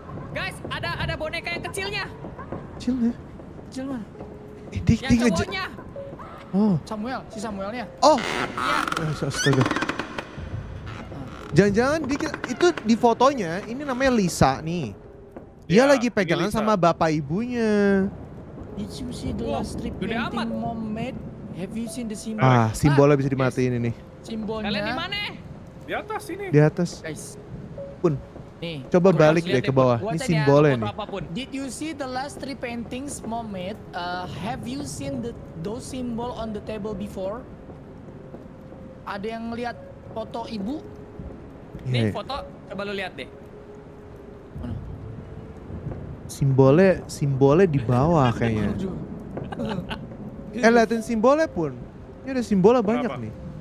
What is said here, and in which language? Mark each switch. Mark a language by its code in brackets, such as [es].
[id] Guys, ada boneka yang kecilnya. Kecilnya? Kecil mana? Ding aja. Cowoknya. Oh, Samuel, si Samuelnya. Oh, yeah. Astaga. Jangan-jangan dikit, itu di fotonya, ini namanya Lisa nih. Dia lagi pegangan sama bapak ibunya. [en] Did you see the last repainting mom made? Have you seen the symbol? [id] Ah, simbolnya bisa dimatiin ini. Simbolnya. Kalian di mana? Di atas sini. Di atas. Guys. Pun. Nih. Coba balik deh ke bawah. Ini simbolnya nih. [en] Did you see the last repainting mom made? Have you seen those symbol on the table before? [id] Ada yang ngeliat foto ibu? Nih yeah. Foto, coba lu lihat deh. Simbolnya di bawah kayaknya. Eh, liatin simbolnya pun. Ini ada simbolnya banyak nih.